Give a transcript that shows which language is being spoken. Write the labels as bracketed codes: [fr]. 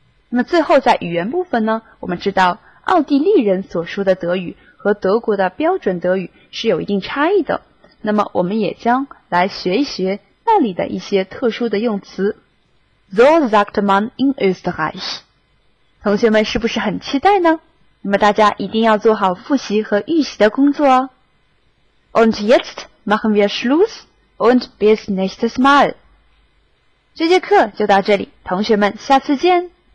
[zh] 那么最后在语言部分呢，我们知道奥地利人所说的德语和德国的标准德语是有一定差异的，那么我们也将来学一学那里的一些特殊的用词。 [de] So sagt man in Österreich。 [zh] 同学们是不是很期待呢？那么大家一定要做好复习和预习的工作哦。 [de] Und jetzt machen wir Schluss und bis nächstes Mal. [zh] 这节课就到这里，同学们下次见。